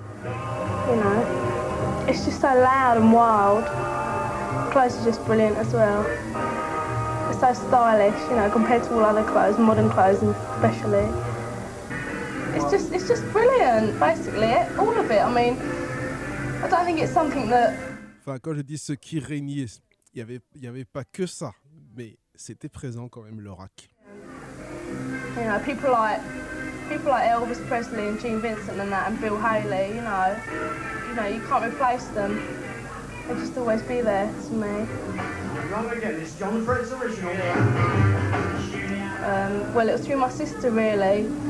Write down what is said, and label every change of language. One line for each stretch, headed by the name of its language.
English: You know, it's just so loud and wild. Clothes are just brilliant as well. It's so stylish, you know, compared to all other clothes, modern clothes especially. It's just brilliant, basically, all of it. I mean, I don't think it's something that.
French: Enfin, quand je dis ce qui régnait, il y avait pas que ça, mais c'était présent quand même, le rock.
English: You know, people like Elvis Presley and Gene Vincent and that, and Bill Haley. You know, you can't replace them. They'll just always be there to me. Run again. It's John Fred's original. Well, it was through my sister, really.